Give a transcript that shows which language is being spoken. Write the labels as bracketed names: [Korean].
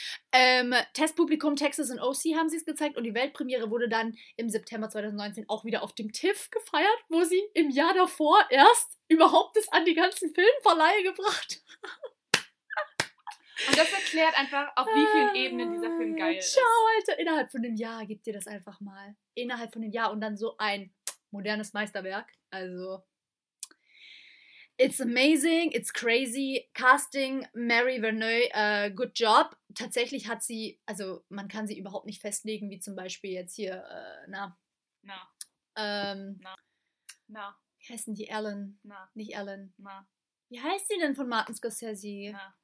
[German] Testpublikum Texas und OC haben sie es gezeigt und die Weltpremiere wurde dann im September 2019 auch wieder auf dem TIFF gefeiert, wo sie im Jahr davor erst überhaupt es an die ganzen Filmverleihe gebracht haben. Und das erklärt einfach, auf wie vielen Ebenen dieser Film geil ist. Ciao, Alter, innerhalb von einem Jahr gibt ihr das einfach mal. Innerhalb von einem Jahr und dann so ein modernes Meisterwerk, also... [English] It's amazing, it's crazy. Casting, Mary Verneuil, good job. [German] Tatsächlich hat sie, also man kann sie überhaupt nicht festlegen, wie zum Beispiel jetzt hier, wie heißt denn die Ellen? Nicht Ellen. Wie heißt sie denn von Martin Scorsese?